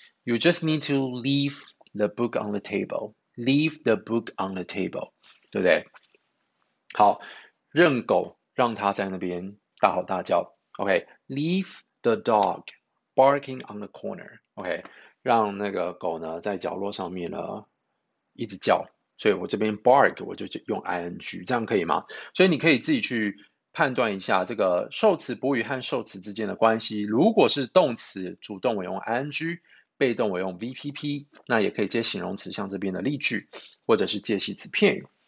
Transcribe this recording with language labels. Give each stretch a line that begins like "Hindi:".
English: You just need to leave the book on the table. Leave the book on the table.
Chinese: 对不对？好，任狗让它在那边大吼大叫。
English: OK, leave the dog barking on the corner.
Chinese: OK, 让那个狗呢在角落上面呢一直叫。所以我这边 bark 我就用 ing, 这样可以吗？所以你可以自己去判断一下这个受词补语和受词之间的关系。如果是动词主动，我用 ing。被动我用 VPP， 那也可以接形容词，像这边的例句，或者是介系词片语。